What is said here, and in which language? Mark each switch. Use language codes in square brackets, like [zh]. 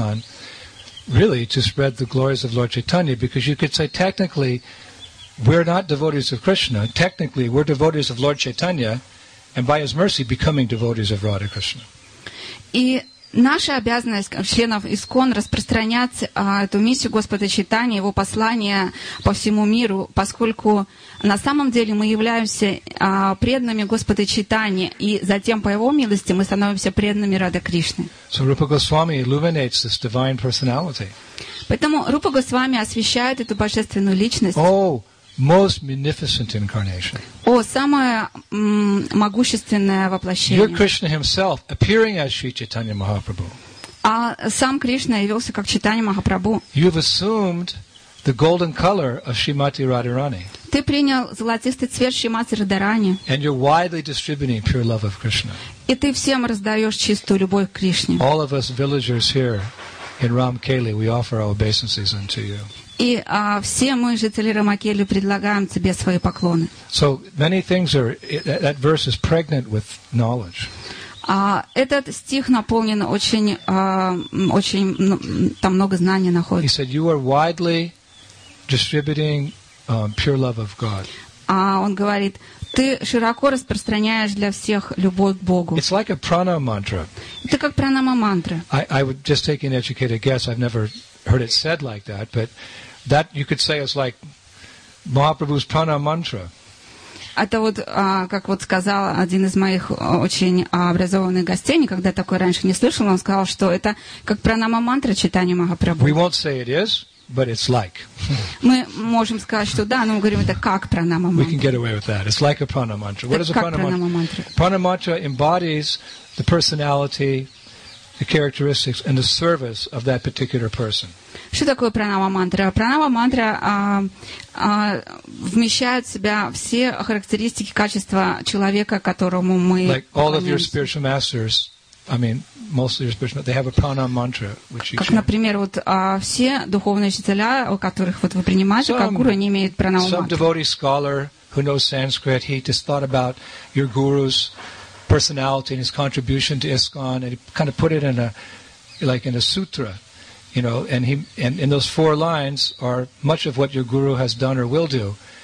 [en] So really, to spread the glories of Lord Chaitanya, because you could say, technically, we're not devotees of Krishna. Technically, we're devotees of Lord Chaitanya, and by His mercy, becoming devotees of Radha Krishna. [ru] И наша обязанность как членов ИСКОН распространять эту миссию Господа Чайтаньи, Его послание по всему миру, поскольку на самом деле мы являемся преданными Господа Чайтаньи, и затем по Его милости мы становимся преданными Радхе Кришне. [en] So Rupa Goswami illuminates this divine personality. [ru] Поэтому Рупа Госвами освещает эту божественную личность. [en] Oh, most magnificent incarnation. [ru] О, самое могущественное воплощение. [en] You're Krishna himself appearing as Sri Chaitanya Mahaprabhu. [ru] А сам Кришна явился как Чайтанья Махапрабху. [en] You've assumed the golden color of Srimati Radharani. [ru] Ты принял золотистый цвет Шримати Радхарани. [en] And you're widely distributing pure love of Krishna. [ru] И ты всем раздаешь чистую любовь к Кришне. [en] All of us villagers here in Ramkeli, we offer our obeisances unto you. [ru] И все мы, жители Рамакели, предлагаем тебе свои поклоны. [en] So many things are, that verse is pregnant with knowledge. [ru] Этот стих наполнен очень, там много знаний находится. [en] He said, you are widely distributing pure love of God. [ru] Он говорит, ты широко распространяешь для всех любовь к Богу. [en] It's like a prana mantra. [ru] Это как пранама-мантра. [en] I would just take an educated guess. I've never heard it said like that, but that you could say is like Mahaprabhu's prana mantra. [ru] Это вот, как вот сказал один из моих очень образованных гостей, никогда такое раньше не слышал, он сказал, что это как пранама-мантра читания Махапрабху. [en] We won't say it is, but it's like. [ru] Мы можем сказать, что да, но мы говорим, это как пранама-мантра. [en] We can get away with that. It's like a pranama-мантра. What is a pranama-мантра? Pranama-мантра embodies the personality, the characteristics, and the service of that particular person. [ru] Что такое пранама-мантра? Пранама-мантра вмещает в себя все характеристики, качества человека, которому мы [en] Like all of your spiritual masters, I mean, most of your spiritual masters, they have a pранама-мантра, which you [ru] Как, например, вот все духовные учителя, у которых вот вы принимаете, как гуру, они имеют пранама-мантру. [en] Some devotee scholar who knows Sanskrit, he just thought about your guru's personality and his contribution to ISKCON, and he kind of put it in a, like in a sutra. You know, and he and in those four lines are much of what your guru has done or will do.